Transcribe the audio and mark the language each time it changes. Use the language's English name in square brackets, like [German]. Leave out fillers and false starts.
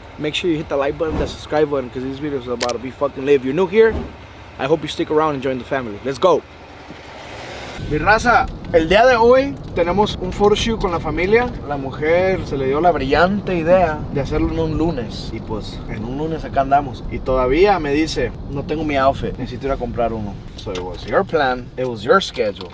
[English] Make sure you hit the like button, the subscribe button, because this video is about to be fucking lit. If you're new here, I hope you stick around and join the family. Let's go. [Spanish] Mi raza, el día de hoy tenemos un photoshoot con la familia. La mujer se le dio la brillante idea de hacerlo en un lunes. Y pues, en un lunes acá andamos. Y todavía me dice, no tengo mi outfit. Necesito ir a comprar uno. [English] So it was your plan, it was your schedule.